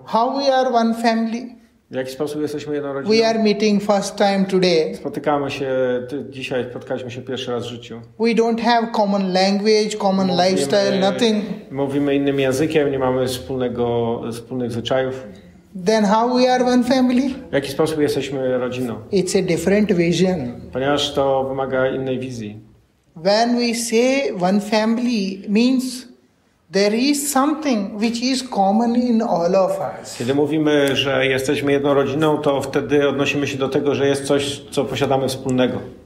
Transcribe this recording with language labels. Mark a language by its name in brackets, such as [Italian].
[English] How we are one family? [Polish] W jaki sposób jesteśmy jedną rodziną? [English] We are meeting first time today. [Polish] Spotykamy się dzisiaj, spotkaliśmy się pierwszy raz w życiu. [English] We don't have common language, common lifestyle, nothing. [Polish] Mówimy innym językiem, nie mamy wspólnych zwyczajów. [English] Then how we are one family? [Polish] W jaki sposób jesteśmy rodziną? [English] It's a different vision. [Polish] Ponieważ to wymaga innej wizji. [English] When we say one family means there is something which is common in all of us. [Polish] Kiedy mówimy, że jesteśmy jedną rodziną, to wtedy odnosimy się do tego, że jest coś, co posiadamy wspólnego.